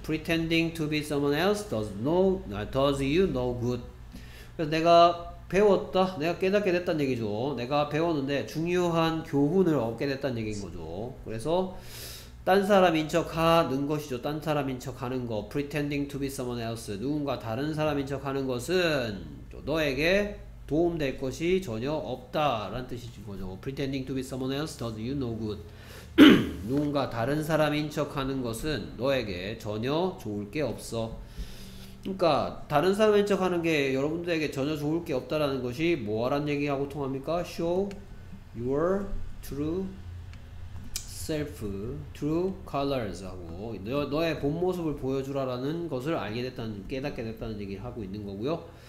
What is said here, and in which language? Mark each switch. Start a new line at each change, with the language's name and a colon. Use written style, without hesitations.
English: Pretending to be someone else does you no good.
Korean: 그래서 내가 배웠다. 내가 깨닫게 됐단 얘기죠. 내가 배웠는데 중요한 교훈을 얻게 됐단 얘기인 거죠. 그래서 딴 사람인 척 하는 것이죠. 딴 사람인 척 하는 거.
English: Pretending to be someone else.
Korean: 누군가 다른 사람인 척 하는 것은 너에게 도움될 것이 전혀 없다라는 뜻인 거죠.
English: Pretending to be someone else does you no good.
Korean: 누군가 다른 사람인 척하는 것은 너에게 전혀 좋을 게 없어. 그러니까 다른 사람인 척하는 게 여러분들에게 전혀 좋을 게 없다라는 것이 뭐라는 얘기하고 통합니까?
English: Show your true self, true colors
Korean: 하고 너의 본 모습을 보여주라라는 것을 알게 됐다는 깨닫게 됐다는 얘기를 하고 있는 거고요.